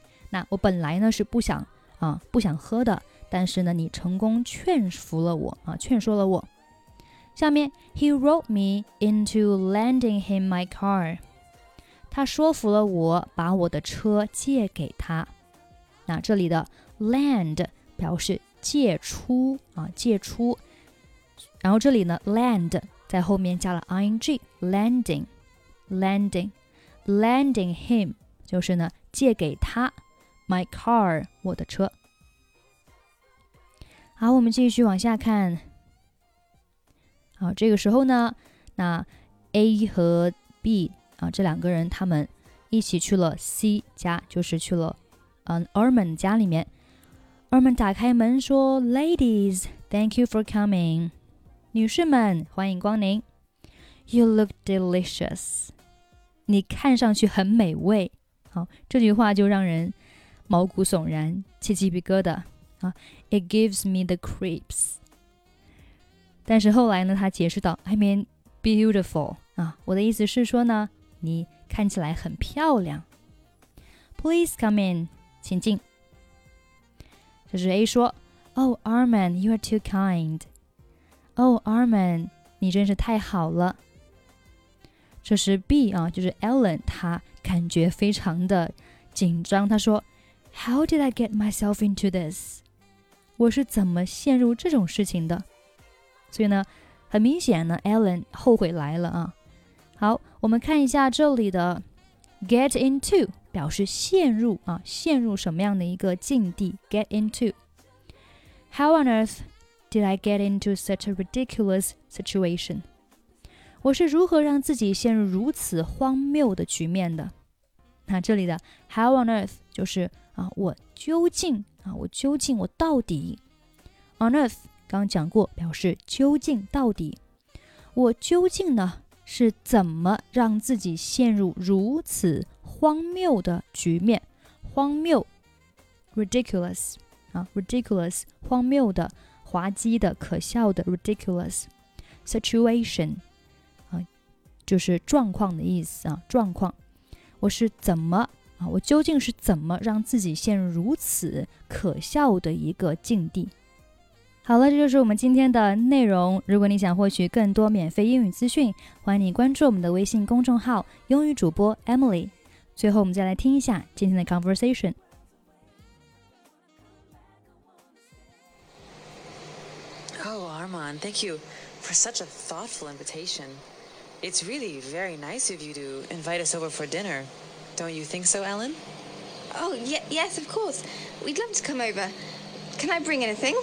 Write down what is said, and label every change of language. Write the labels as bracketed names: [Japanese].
[Chinese] 那我本来呢是不想、不想喝的，但是呢你成功劝服了我、劝说了我。下面 [English] he roped me into lending him my car， [Chinese] 他说服了我把我的车借给他。那这里的 lend 表示借出、借出。然后这里呢 lend 在后面加了 ing， lending， lending， lending him 就是呢借给他 [English] my car， [Chinese] 我的车。好，我们继续往下看。好，这个时候呢，那 A 和 B这两个人他们一起去了 C 家，就是去了、Armand 家里面。 [English] Armand [Chinese] 打开门说 [English] Ladies, thank you for coming. [Chinese] 女士们，欢迎光临。 [English] You look delicious. [Chinese] 你看上去很美味。好，这句话就让人毛骨悚然，起鸡皮疙瘩。 [English] It gives me the creeps. [Chinese] 但是后来呢，他解释到 [English] I mean beautiful. [Chinese] 我的意思是说呢，你看起来很漂亮。 [English] Please come in, [Chinese] 请进。 这是 A 说 [English] Oh, Armand, you are too kind. [Chinese] Oh, Armand, 你真是太好了。这是 B 啊，就是 Alan， 他感觉非常的紧张。他说 [English] How did I get myself into this? [Chinese] 我是怎么陷入这种事情的？所以呢，很明显呢 ，Alan 后悔来了啊。好，我们看一下这里的 [English] get into [Chinese] 表示陷入、陷入什么样的一个境地 get into。 [English] How on earth did I get into such a ridiculous situation? [Chinese] 我是如何让自己陷入如此荒谬的局面的？那这里的 [English] how on earth [Chinese] 就是、我究竟我到底 on earth 刚讲过表示究竟到底，我究竟呢是怎么让自己陷入如此荒谬的局面？荒谬 ，ridiculous 啊 ，ridiculous， 荒谬的、滑稽的、可笑的 ， [English] ridiculous situation [Chinese] 啊，就是状况的意思啊，状况。我是怎么啊，我究竟是怎么让自己陷入如此可笑的一个境地。好了，这就是我们今天的内容。如果你想获取更多免费英语资讯，欢迎你关注我们的微信公众号英语主播 Emily。最后我们再来听一下今天的 conversation。 [English] Oh, Armand, thank you for such a thoughtful invitation. It's really very nice of you to invite us over for dinner. Don't you think so, Ellen? Oh, yes, of course. We'd love to come over. Can I bring anything?